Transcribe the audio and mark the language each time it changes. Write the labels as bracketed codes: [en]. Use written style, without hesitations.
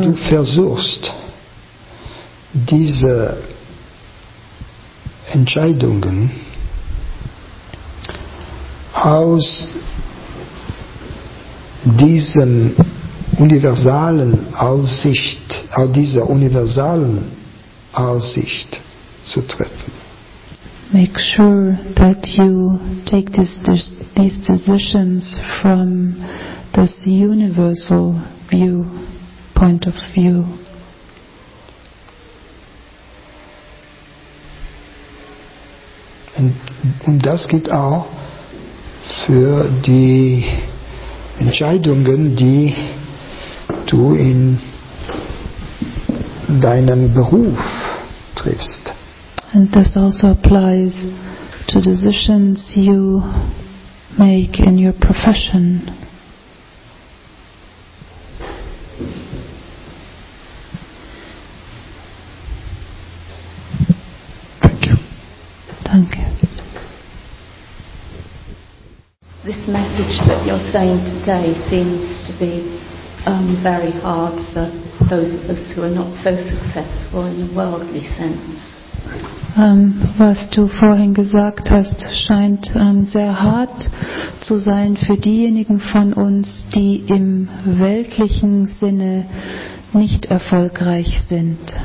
[de] du versuchst, diese Entscheidungen aus diesem universalen Aussicht, aus dieser universalen Aussicht zu treffen. [en] Make sure that you take these decisions from this universal view, point of view. [de] Und das gilt auch für die Entscheidungen, die du in deinem Beruf triffst. [en] And this also applies to decisions you make in your profession. Thank you. [de] Danke. [en] This message that you're saying today seems to be very hard for those of us who are not so successful in a worldly sense. [de] Was du vorhin gesagt hast, scheint sehr hart zu sein für diejenigen von uns, die im weltlichen Sinne nicht erfolgreich sind.